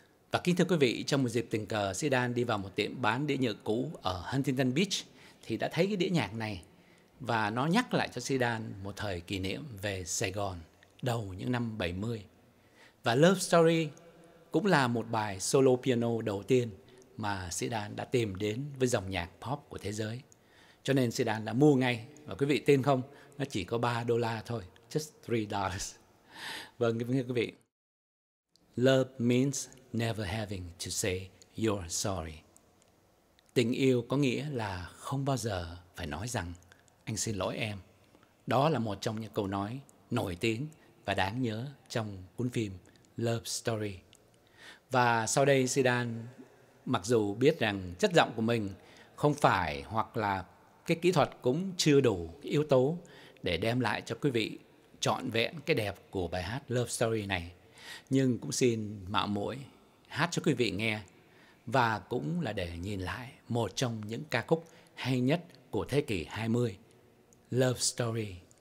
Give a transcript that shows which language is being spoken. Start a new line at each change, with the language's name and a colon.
Vietnamese: Và kính thưa quý vị, trong một dịp tình cờ, Zidane đi vào một tiệm bán đĩa nhựa cũ ở Huntington Beach thì đã thấy cái đĩa nhạc này và nó nhắc lại cho Zidane một thời kỷ niệm về Sài Gòn đầu những năm 70. Và Love Story cũng là một bài solo piano đầu tiên mà Zidane đã tìm đến với dòng nhạc pop của thế giới. Cho nên Zidane đã mua ngay, và quý vị tin không, nó chỉ có $3 thôi,
English: just $3.
Vietnamese: Vâng, kính thưa quý vị.
English: Love means never having to say you're sorry.
Vietnamese: Tình yêu có nghĩa là không bao giờ phải nói rằng anh xin lỗi em. Đó là một trong những câu nói nổi tiếng và đáng nhớ trong cuốn phim Love Story. Và sau đây Zidane, mặc dù biết rằng chất giọng của mình không phải, hoặc là cái kỹ thuật cũng chưa đủ yếu tố để đem lại cho quý vị trọn vẹn cái đẹp của bài hát Love Story này, nhưng cũng xin mạo muội hát cho quý vị nghe, và cũng là để nhìn lại một trong những ca khúc hay nhất của thế kỷ 20, Love Story.